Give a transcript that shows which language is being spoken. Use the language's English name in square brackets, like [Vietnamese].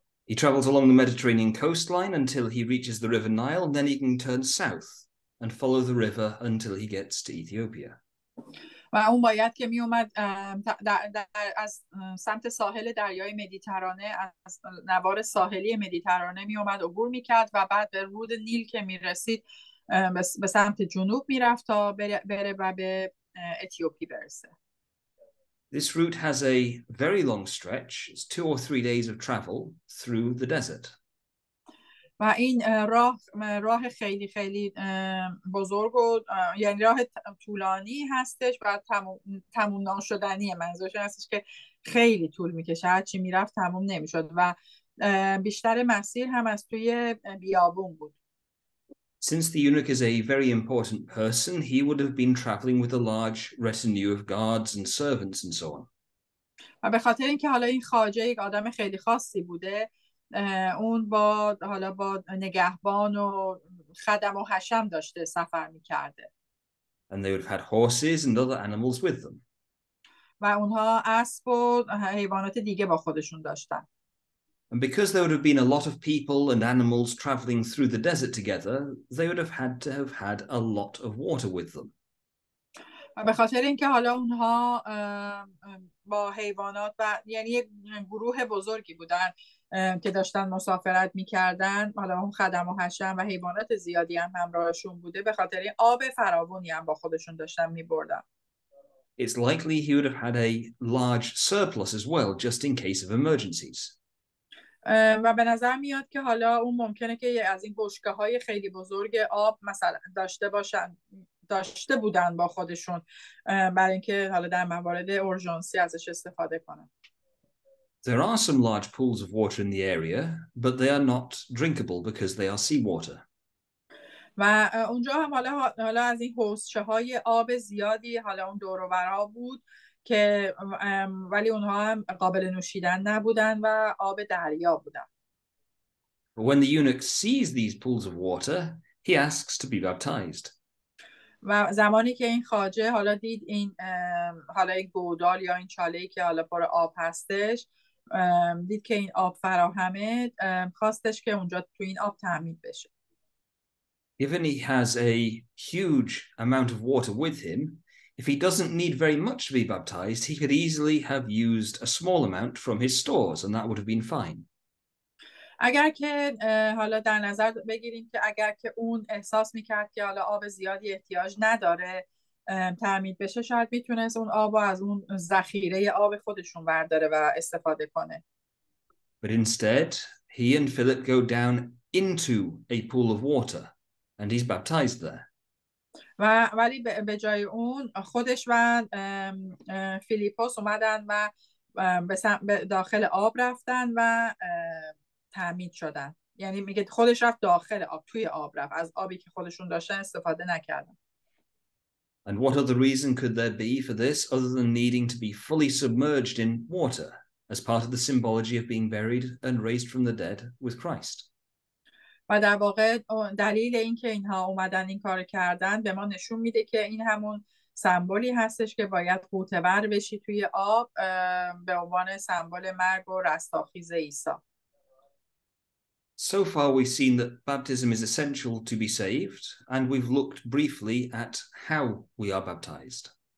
[English] He travels along the Mediterranean coastline until he reaches the river Nile and then he can turn south and follow the river until he gets to Ethiopia. [Persian] و اون باید که می اومد از سمت ساحل دریای مدیترانه، از نوار ساحلی مدیترانه می اومد عبور می کرد و بعد به رود نیل که می رسید به سمت جنوب می رفت تا بره و به اتیوپی برسه. [English] This route has a very long stretch. It's 2 or 3 days of travel through the desert. [Persian] و این راه راه خیلی خیلی بزرگ و یعنی راه طولانی هستش و تموم ناشدنی منظورش هستش که خیلی طول میکشه هرچی میرفت تموم نمیشد و بیشتر مسیر هم از توی بیابون بود. [English] Since the eunuch is a very important person, he would have been traveling with a large retinue of guards and servants and so on. [Persian] و به خاطر اینکه حالا این خواجه یک آدم خیلی خاصی بوده، اون با حالا با نگهبان و خدم و حشم داشته سفر می‌کرده. [English] And they would have had horses and other animals with them. [Persian] و اونها اسب و حیوانات دیگه با خودشون داشتن. [English] And because there would have been a lot of people and animals traveling through the desert together, they would have had to have had a lot of water with them. [Persian] به خاطر اینکه حالا اونها با حیوانات و یعنی یک گروه بزرگی بودن که داشتن مسافرت میکردن، حالا اون خدم و حشم و حیوانات زیادی هم همراهشون بوده، به خاطر این آب فراوانی هم با خودشون داشتن میبردن. [English] It's likely he would have had a large surplus as well, just in case of emergencies. [Persian] و به نظر میاد که حالا اون ممکنه که از این بشکه های خیلی بزرگ آب مثلا داشته باشن داشته بودن با خودشون برای اینکه حالا در موارد اورژانسی ازش استفاده کنن. [English] There are some large pools of water in the area, but they are not drinkable because they are seawater. [Persian] و اونجا هم حالا از این حوضچه های آب زیادی حالا اون دور و برا بود که ولی اونها هم قابل نوشیدن نبودن و آب دریا بودن. [English] When the eunuch sees these pools of water, he asks to be baptized. [Persian] و زمانی که این خواجه حالا دید این حالا این گودال یا این چاله‌ای که حالا پر آب هستش، دید که این آب فراهمه، خواستش که اونجا تو این آب تعمید بشه. [English] Given he has a huge amount of water with him, if he doesn't need very much to be baptized, he could easily have used a small amount from his stores, and that would have been fine. [Persian] اگر که حالا در نظر بگیریم که اگر که اون احساس میکرد که حالا آب زیادی احتیاج نداره تعمید بشه، شاید میتونست اون آب رو از اون ذخیره آب خودشون برداره و استفاده کنه. [English] But instead, he and Philip go down into a pool of water, and he's baptized there. [Persian] و ولی به جای اون خودش و فیلیپوس اومدن و به داخل آب رفتن و تعمید شدن. یعنی میگه خودش رفت داخل آب، توی آب رفت، از آبی که خودشون داشتن استفاده نکردن. [English] And what other reason could there be for this other than needing to be fully submerged in water as part of the symbology of being buried and raised from the dead with Christ? [Persian] و در واقع دلیل این که اینها اومدن این کار کردن به ما نشون میده که این همون سمبولی هستش که باید غوطه‌ور بشی توی آب به عنوان سمبول مرگ و رستاخیز عیسی. [English] So far we've seen that baptism is essential to be saved, and we've looked briefly at how we are baptized.